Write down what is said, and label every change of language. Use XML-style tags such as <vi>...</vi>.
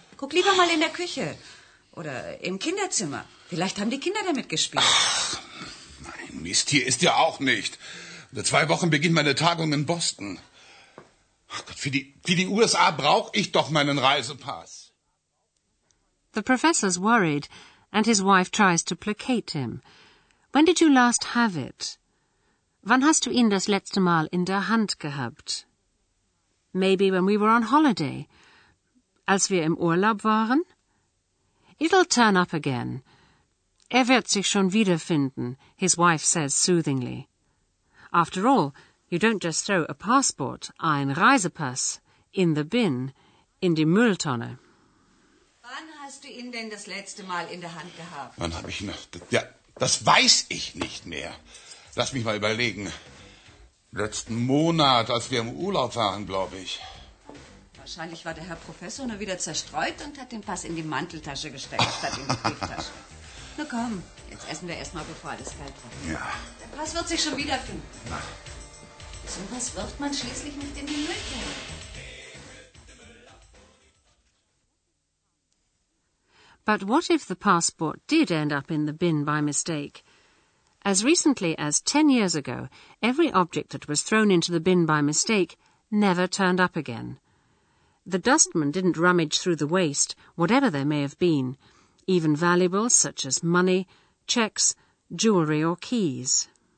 <de>Guck lieber mal in der Küche oder im Kinderzimmer. Vielleicht haben die Kinder damit gespielt. Ach, mein Mist, hier ist er auch nicht. In 2 Wochen beginnt meine Tagung in Boston. Ach Gott, für die USA brauche ich doch meinen Reisepass.</de> <en>The professor's worried, and his wife tries to placate him. When did you last have it?</en> <de>Wann hast du ihn das letzte Mal in der Hand gehabt?</de> <en>Maybe when we were on holiday.</en> <de>Als wir im Urlaub waren?</de> <en>It'll turn up again.</en> <de>Er wird sich schon wiederfinden,</de> <en>his wife says soothingly. After all, you don't just throw a passport,</en> <de>ein Reisepass,</de> <en>in the bin,</en> <de>in die Mülltonne. Wann hast du ihn denn das letzte Mal in der Hand gehabt? Wann habe ich ihn? Ja, das weiß ich nicht mehr. Lass mich mal überlegen. Letzten Monat, als wir im Urlaub waren, glaube ich. Wahrscheinlich war der Herr Professor nur wieder zerstreut und hat den Pass in die Manteltasche gesteckt, statt in die Brieftasche. Na komm, jetzt essen wir erstmal, bevor alles kalt wird. Ja. Was wird sich schon wiederfinden? So was wirft man schließlich nicht in die Mülltonne.</de> <en>But what if the passport did end up in the bin by mistake? As recently as 10 years ago, every object that was thrown into the bin by mistake never turned up again. The dustman didn't rummage through the waste, whatever there may have been, even valuables such as money, checks, jewelry or keys.</en>